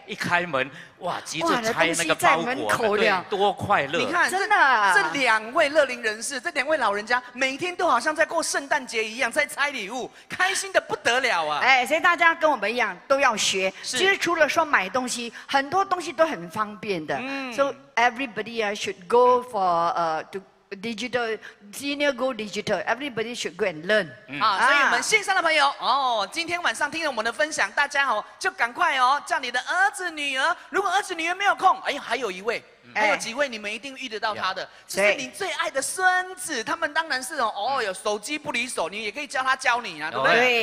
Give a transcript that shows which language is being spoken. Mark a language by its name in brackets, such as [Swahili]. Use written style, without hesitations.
[Chinese] 一开门，哇，急着拆那个包裹，对，多快乐！你看，真的，这两位乐龄人士，这两位老人家，每天都好像在过圣诞节一样，在拆礼物，开心的不得了啊！哎，所以大家跟我们一样，都要学。是。其实除了说买东西，很多东西都很方便的。 [English] So everybody should go for to digital, senior go digital. Everybody should go and learn. [Chinese] 所以我们线上的朋友哦，今天晚上听了我们的分享，大家哦就赶快哦叫你的儿子女儿，如果儿子女儿没有空，哎呀，还有一位。还有几位你们一定遇得到他的，就是你最爱的孙子，他们当然是哦，有手机不离手，你也可以教他教你啊，对不对？